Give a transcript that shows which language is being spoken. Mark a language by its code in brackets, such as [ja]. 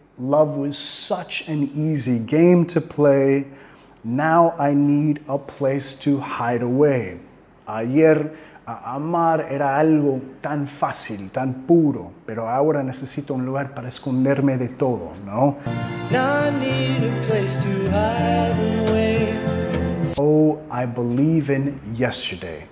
[en] Love was such an easy game to play. Now I need a place to hide away. [es] Ayer, amar era algo tan fácil, tan puro. Pero ahora necesito un lugar para esconderme de todo, ¿no? [en] Now I need a place to hide away. Oh, I believe in yesterday.